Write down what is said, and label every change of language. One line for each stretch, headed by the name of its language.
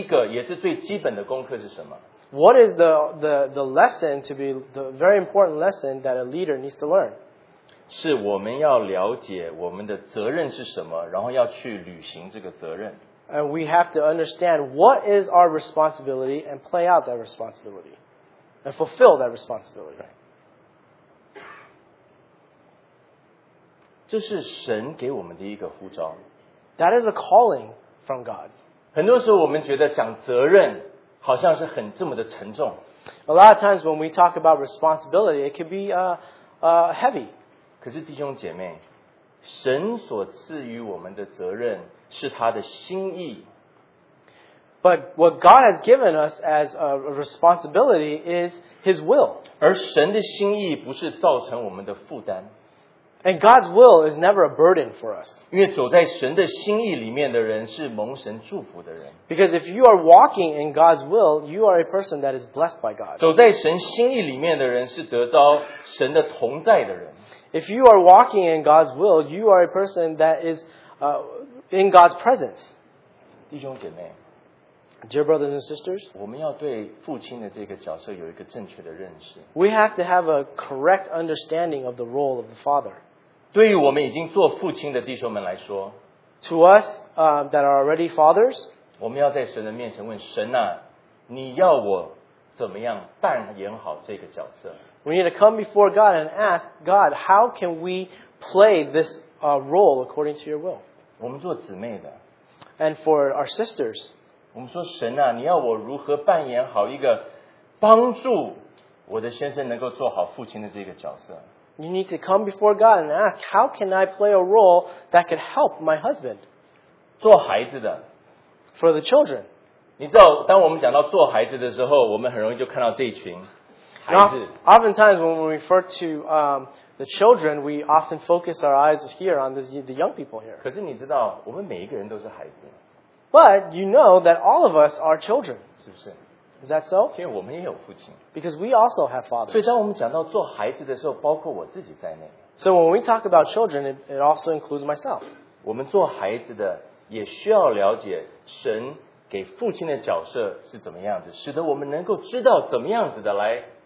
Chinese: 你知道要做领袖的第一个也是最基本的功课是什么？
English: What is the lesson to be the very important lesson that a leader needs to learn?
Chinese: 是我们要了解我们的责任是什么，然后要去履行这个责任。
English: And we have to understand what is our responsibility and play out that responsibility and fulfill that responsibility.
Chinese: 这是神给我们的一个呼召。
English: That is a calling from God.
Chinese: 很多时候我们觉得讲责任好像是很这么的沉重。
English: A lot of times when we talk about responsibility, it can be heavy.
Chinese: 可是弟兄姐妹, 神所赐予我们的责任是他的心意。
English: But what God has given us as a responsibility is His will.
Chinese: 而神的心意不是造成我们的负担。
English: And God's will is never a burden for us.
Chinese: 因为走在神的心意里面的人是蒙神祝福的人。
English: Because if you are walking in God's will, you are a person that is blessed by God.
Chinese: 走在神心意里面的人是得着神的同在的人。
English: If you are walking in God's will, you are a person that is in God's presence.
Chinese: 弟兄姐妹,
English: dear brothers and sisters,
Chinese: 我们要对父亲的这个角色有一个正确的认识。
English: We have to have a correct understanding of the role of the Father.
Chinese: 对于我们已经做父亲的弟兄们来说,
English: to us that are already fathers,
Chinese: 我们要在神的面前问神啊, 你要我怎么样扮演好这个角色。
English: We need to come before God and ask God, how can we play this role according to your will?
Chinese: 我们做姊妹的,
English: and for our sisters,
Chinese: 我们说神啊, 你要我如何扮演好一个帮助我的先生能够做好父亲的这个角色?
English: You need to come before God and ask, how can I play a role that could help my husband?
Chinese: 做孩子的,
English: for the children.
Chinese: 你知道当我们讲到做孩子的时候, 我们很容易就看到这一群,
English: Oftentimes, when we refer to the children, we often focus our eyes here on the young people here.
Chinese: 可是你知道,我们每一个人都是孩子。
English: But you know that all of us are children.
Chinese: 是不是?
English: Is that so?
Chinese: 因为我们也有父亲。
English: Because we also have fathers.
Chinese: 所以当我们讲到做孩子的时候, 包括我自己在内。
English: So when we talk about children, it also includes myself.
Chinese: 我们做孩子的也需要了解神给父亲的角色是怎么样子, 使得我们能够知道怎么样子的来